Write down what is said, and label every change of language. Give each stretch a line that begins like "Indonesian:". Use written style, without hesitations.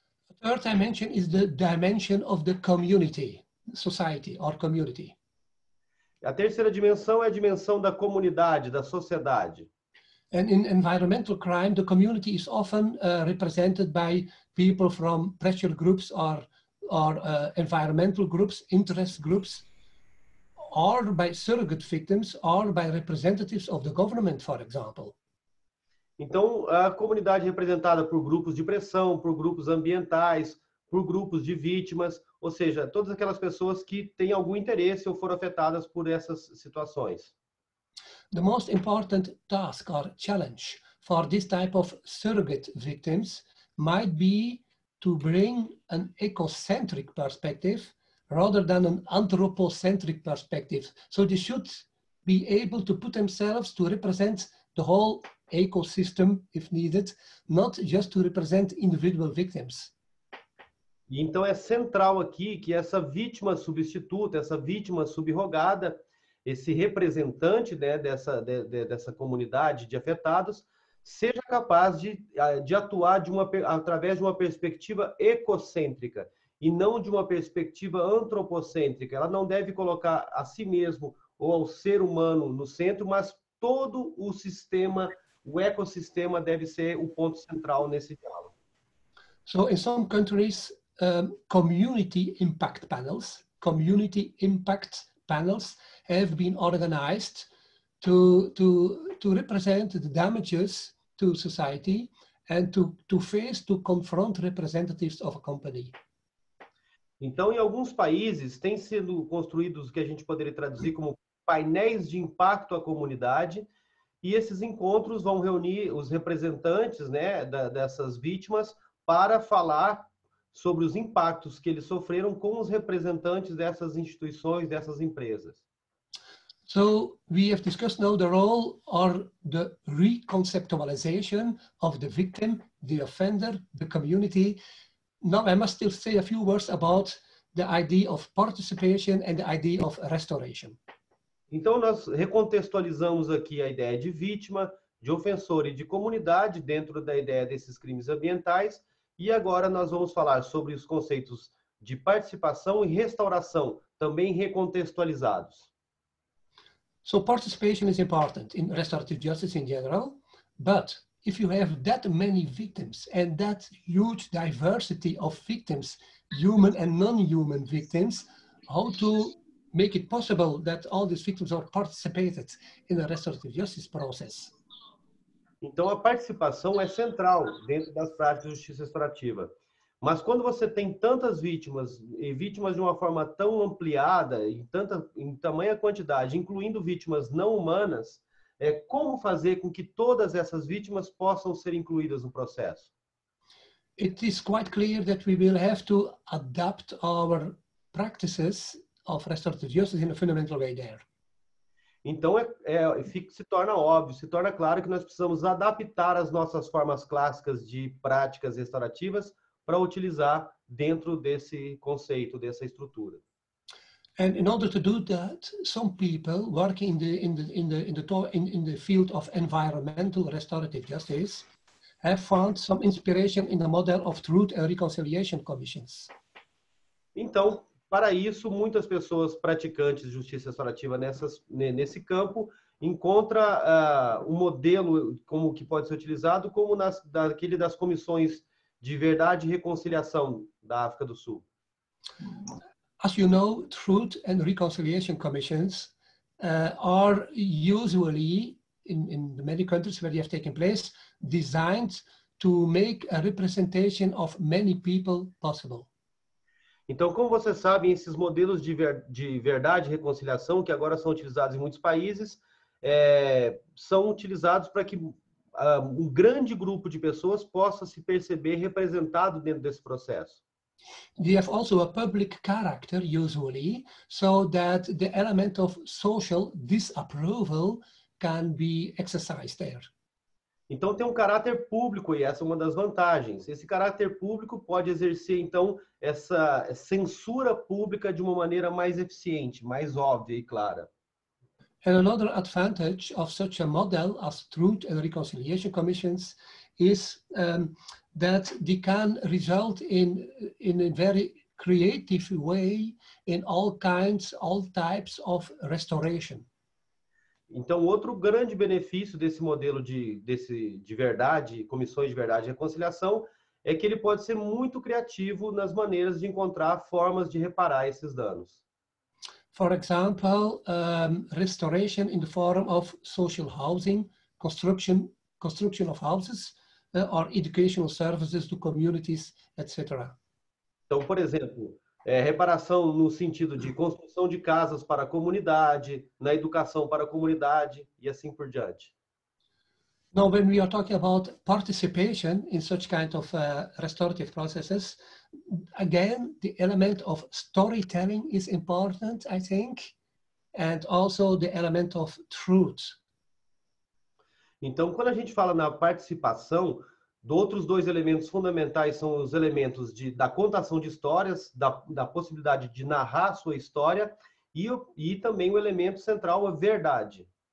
English: A third dimension is the dimension of the community, society or community.
Portuguese: A terceira dimensão é a dimensão da comunidade, da sociedade.
English: And in environmental crime, the community is often represented by people from pressure groups or environmental groups, interest groups, or by surrogate victims, or by representatives of the government, for example.
Portuguese: Então, a comunidade representada por grupos de pressão, por grupos ambientais, por grupos de vítimas, ou seja, todas aquelas pessoas que têm algum interesse ou foram afetadas por essas situações.
English: The most important task or challenge for this type of surrogate victims might be to bring an ecocentric perspective rather than an anthropocentric perspective. So they should be able to put themselves to represent the whole ecosystem, if needed, not just to represent individual victims.
Portuguese: Então é central aqui que essa vítima substituta, essa vítima subrogada, esse representante dessa comunidade de afetados, seja capaz de atuar através de uma perspectiva ecocêntrica, e não de uma perspectiva antropocêntrica. Ela não deve colocar a si mesmo ou ao ser humano no centro, mas todo o sistema, o ecossistema deve ser o ponto central nesse diálogo.
English: So, in some countries, community impact panels. Community impact panels have been organized to represent the damages to society and to face, to confront representatives of a company.
Portuguese: Então, em alguns países, tem sido construídos o que a gente poderia traduzir como painéis de impacto à comunidade, e esses encontros vão reunir os representantes, né, dessas vítimas para falar sobre os impactos que eles sofreram com os representantes dessas instituições, dessas empresas.
English: So, we have discussed now the role or the reconceptualization of the victim, the offender, the community. Now, I must still say a few words about the idea of participation and the idea of restoration.
Portuguese: Então, nós recontextualizamos aqui a ideia de vítima, de ofensor e de comunidade dentro da ideia desses crimes ambientais. E agora nós vamos falar sobre os conceitos de participação e restauração, também recontextualizados.
English: So participation is important in restorative justice in general, but if you have that many victims and that huge diversity of victims, human and non-human victims, how to make it possible that all these victims are participated in the restorative justice process?
Portuguese: Então, a participação é central dentro das práticas de justiça restaurativa. Mas quando você tem tantas vítimas, e vítimas de uma forma tão ampliada, em tamanha quantidade, incluindo vítimas não humanas, como fazer com que todas essas vítimas possam ser incluídas no processo?
English: It is quite clear that we will have to adapt our practices of restorative justice in a fundamental way there.
Portuguese: Então, se torna óbvio, se torna claro que nós precisamos adaptar as nossas formas clássicas de práticas restaurativas para utilizar dentro desse conceito, dessa estrutura.
English: And in order to do that, some people working in the field of environmental restorative justice have found some inspiration in the model of truth and reconciliation commissions.
Portuguese: Então, para isso, muitas pessoas praticantes de justiça restaurativa nesse campo encontram um modelo como que pode ser utilizado como daquele das comissões de verdade e reconciliação da África do Sul.
English: As you know, truth and reconciliation commissions are usually, in the many countries where they have taken place, designed to make a representation of many people possible.
Portuguese: Então, como vocês sabem, esses modelos de verdade e reconciliação, que agora são utilizados em muitos países, são utilizados para que um grande grupo de pessoas possa se perceber representado dentro desse processo.
English: They have also a public character, usually, so that the element of social disapproval can be exercised there.
Portuguese: Então, tem um caráter público, e essa é uma das vantagens. Esse caráter público pode exercer, então, essa censura pública de uma maneira mais eficiente, mais óbvia e clara.
English: And another advantage of such a model as truth and reconciliation commissions is that they can result in a very creative way in all kinds, all types of restoration.
Portuguese: Então, outro grande benefício desse modelo de verdade, comissões de verdade e reconciliação, é que ele pode ser muito criativo nas maneiras de encontrar formas de reparar esses danos.
English: For example, restoration in the form of social housing, construction of houses, or educational services to communities, etc.
Portuguese: Então, por exemplo, reparação no sentido de construção de casas para a comunidade, na educação para a comunidade e assim por diante.
English: Now, when we are talking about participation in such kind of restorative processes, again, the element of storytelling is important, I think, and also the element of truth.
Portuguese: Então, quando a gente fala na participação, outros dois elementos fundamentais são os elementos da contação de histórias, da possibilidade de narrar sua história e também o elemento central, a verdade.